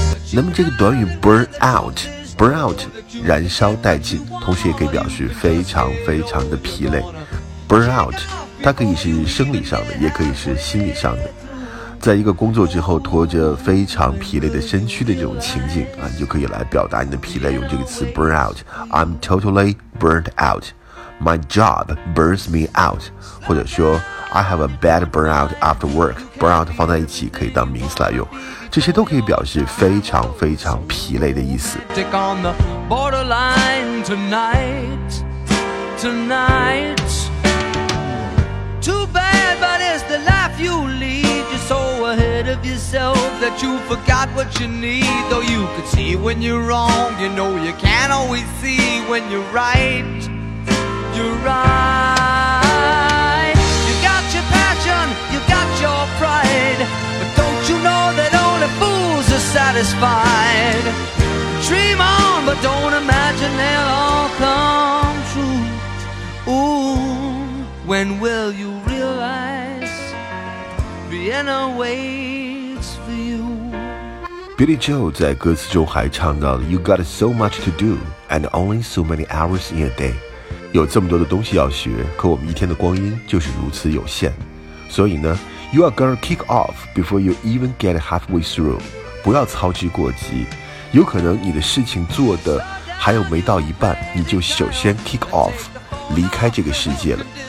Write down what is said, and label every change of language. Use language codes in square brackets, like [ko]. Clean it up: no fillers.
[zh] 那么这个短语 burn out 燃烧殆尽，同时也可以表示非常非常的疲累。 burn out 它可以是生理上的，也可以是心理上的。在一个工作之后拖着非常疲累的身躯的这种情境啊，你就可以来表达你的疲累，用这个词 burn out。 [en] I'm totally burnt out. My job burns me out. 或者说 I have a bad burn out after work. [zh] burn out 放在一起可以当名词来用，这些都可以表示非常非常疲累的意思。 [en] Take on the borderline tonight, tonight. Too bad, but it's the life you lead. You're so ahead of yourself that you forgot what you need. Though you could see when you're wrong, you know you can't always see when you're right, you're right. You got your passion, you got your pride, but don't you know that satisfied. Dream on, but don't imagine they'll all come true. Ooh, when will you realize Vienna waits for you? Billy Joel 在歌词中还唱到 You got so much to do and only so many hours in a day. [zh] 有这么多的东西要学，可我们一天的光阴就是如此有限。所以呢 You are gonna kick off before you even get halfway through，不要操之过急，有可能你的事情做的还有没到一半，你就首先 kick off 离开这个世界了。